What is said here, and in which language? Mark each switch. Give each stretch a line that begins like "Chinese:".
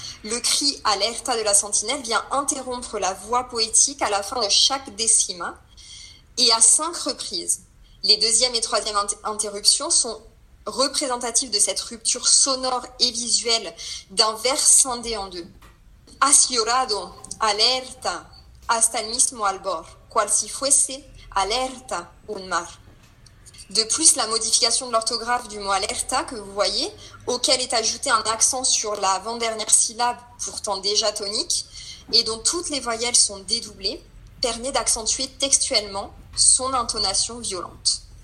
French: Le cri « Alerta » de la sentinelle vient interrompre la voix poétique à la fin de chaque décima et à 5 reprises. Les deuxième et troisième interruptions sont représentatives de cette rupture sonore et visuelle d'un vers scindé en deux.
Spanish: Has llorado, alerta, hasta el mismo albor, cual si fuese, alerta, un mar.
French: De plus, la modification de l'orthographe du mot alerta que vous voyez, auquel est ajouté un accent sur l'avant-dernière syllabe, pourtant déjà tonique, et dont toutes les voyelles sont dédoublées, permet d'accentuer textuellement son intonation violente.